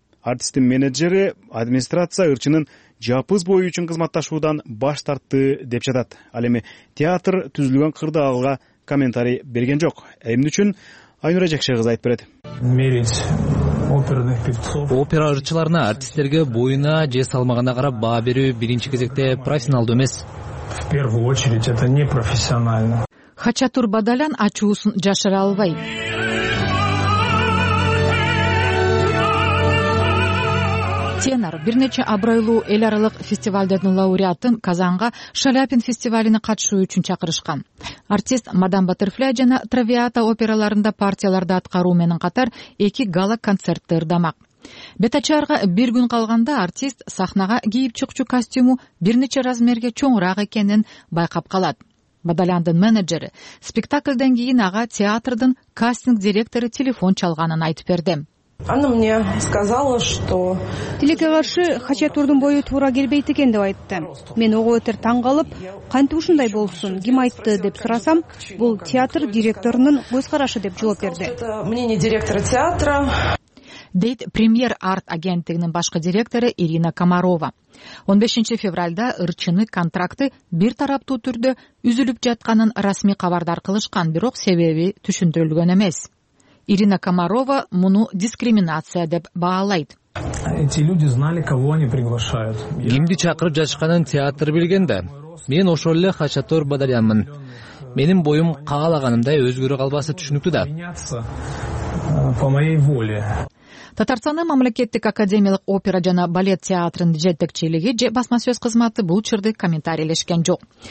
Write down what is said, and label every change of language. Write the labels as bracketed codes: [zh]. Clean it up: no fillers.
[ky] Артисттин менеджери администрация ырчынын жапыз бою үчүн кызматташуудан баш тартты деп жатат. Ал эми театр түзүлгөн кырда ага комментарий берген жок. Эмне үчүн? Айнура Жакшы кызы айтып берет. Опера ырчыларына, артисттерге боюна же салмагына карап баа берүү биринчи кезекте профессионалдуу эмес. [ru] В первую очередь это не профессионально. [ky] Хачатур Бадалян ачуусун жашыра албай. Тенор бир нече абройлуу эл аралык фестивалдердин лауреатын Казанга Шаляпин фестивалине катышуу үчүн чакырышкан. Артист Мадам Баттерфляй жана Травиата операларында партияларды аткаруу менен катар эки гала-концертти ырдамак. Бетачарга бир күн калганда артист сахнага кийип чыкчу костюму бир нече размерге чоңураак экенин байкап калат. Бадаляндын менеджери спектакльден кийин ага театрдын кастинг директору телефон чалганын айтып берди. [ru] Она мне сказала, что [ky] тилекке каршы Хачатурдун бою туура келбейт экен деп айтты. Мен ого этер таң калып, кантип ушундай болсун, ким айтты деп сурасам, бул театр директорунун көз карашы деп жооп берди. [ru] Мнение директора театра. [ky] Дейт премьер арт агенттигинин башкы директору Ирина Комарова. 15 февральда ырчыны контракты бир тараптуу түрдө үзүлүп жатканын расмий кабардар кылышкан, бирок себеби түшүндүрүлгөн эмес. Ирина Комарова муну дискриминация деп баалайт. [ru] Эти люди знали, кого они приглашают. [ky] Кимди чакырып жатышканын театр билген да. Мен ошол эле Хачатур Бадалянмын. Менин боюм каалаганымдай өзгөрө албасы түшүнүктүү да. [ru] По моей воле. [ky] Татарстандын мамлекеттик академиялык опера жана балет театрынын жетекчилиги же басма сөз кызматы бул чырды комментарийлешкен жок.